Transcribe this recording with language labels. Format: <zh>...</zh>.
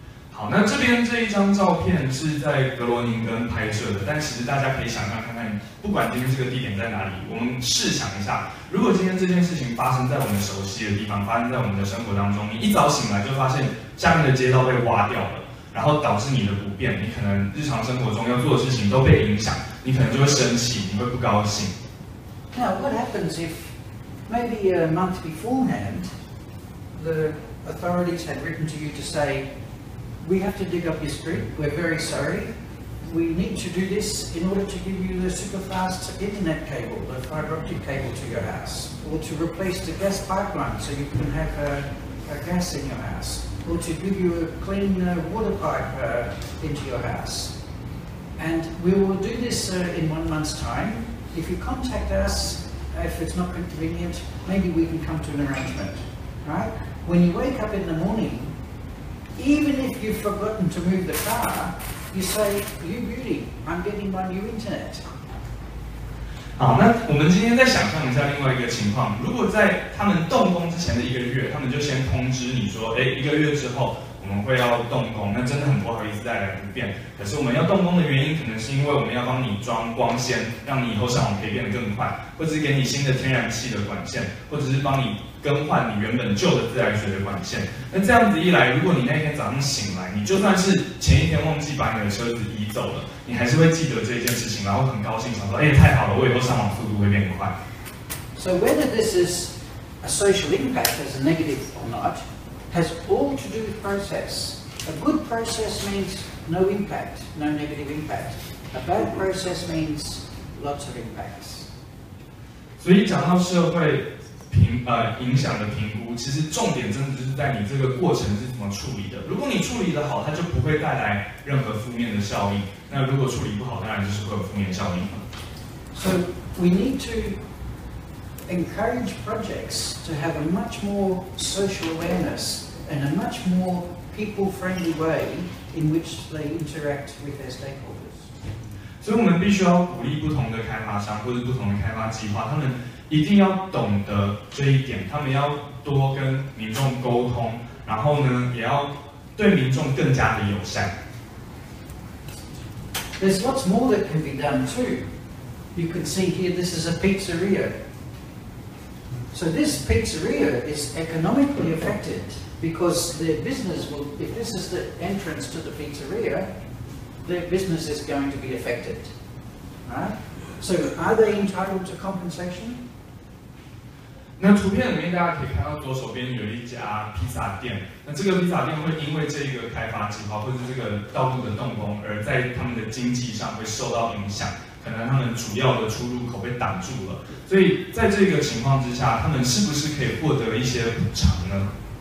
<zh>好，那这边这一张照片是在格罗宁根拍摄的，但其实大家可以想象看看，不管今天这个地点在哪里，我们试想一下，如果今天这件事情发生在我们熟悉的地方，发生在我们的生活当中，你一早醒来就发现下面的街道被挖掉了，然后导致你的不便，你可能日常生活中要做的事情都被影响，你可能就会生气，你会不高兴。</zh> <en>Now, what happens if maybe a month beforehand? The authorities had written to you to say, we have to dig up your street, we're very sorry. We need to do this in order to give you the super fast internet cable, the fiber optic cable to your house, or to replace the gas pipeline so you can have a gas in your house, or to give you a clean water pipe into your house. And we will do this in 1 month's time. If you contact us, if it's not convenient, maybe we can come to an arrangement. Right? When you wake up in the morning, even if you've forgotten to move the car, you say, "You beauty, I'm getting my new internet."</en> <zh>好，那我们今天再想象一下另外一个情况。如果在他们动工之前的一个月，他们就先通知你说，哎，一个月之后我们会要动工，那真的很不好意思带来不便。可是我们要动工的原因，可能是因为我们要帮你装光纤，让你以后上网可以变得更快，或者是给你新的天然气的管线，或者是帮你。更换你原本旧的自来水的管线，那这样子一来，如果你那天早上醒来，你就算是前一天忘记把你的车子移走了，你还是会记得这件事情，然后很高兴，想说，哎，太好了，我以后上网速度会变快。</zh> <en>So whether this is a social impact as a negative or not, has all to do with process. A good process means no impact, no negative impact. A bad process means lots of impacts.</en> <zh>所以讲到社会。影响的评估，其实重点真的就是在你这个过程是怎么处理的。如果你处理的好，它就不会带来任何负面的效应。那如果处理不好，当然就是会有负面效应。</zh> <en>So we need to encourage projects to have a much more social awareness and a much more people-friendly way in which they interact with their stakeholders.</en> <zh>所以我们必须要鼓励不同的开发商或者不同的开发计划，他们。一定要懂得这一点，他们要多跟民众沟通，然后呢，也要对民众更加的友善。</zh> <en>There's lots more that can be done too. You can see here, this is a pizzeria. So this pizzeria is economically affected because their business will, if this is the entrance to the pizzeria, their business is going to be affected, right? So are they entitled to compensation?</en> <zh>那图片里面大家可以看到左手边有一家披萨店，那这个披萨店会因为这一个开发计划或者这个道路的动工而在他们的经济上会受到影响，可能他们主要的出入口被挡住了，所以在这个情况之下，他们是不是可以获得一些补偿呢？</zh>